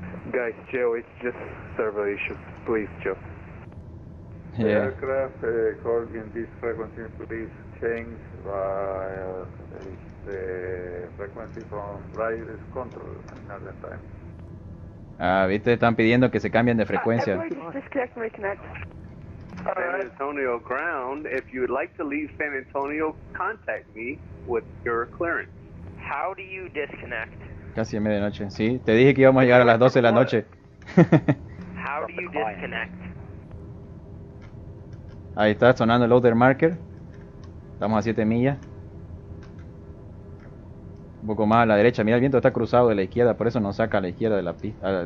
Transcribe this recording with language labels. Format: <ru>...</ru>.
<en>Guys, chill, it's just server issues. Please, chill. Yeah. Aircraft calling this frequency, please change the frequency from radius control in another time.</en> <es>Ah, viste, están pidiendo que se cambien de frequencia.</es> <en>Disconnect and reconnect. San Antonio ground, if you would like to leave San Antonio, contact me with your clearance. How do you disconnect?</en> <es>Casi a medianoche, sí. Te dije que íbamos a llegar a las 12 de la noche.</es> <en>How do you disconnect?</en> <es>Ahí está sonando el loader marker. Estamos a 7 millas. Un poco más a la derecha. Mira, el viento está cruzado de la izquierda, por eso nos saca a la izquierda de la pista.</es>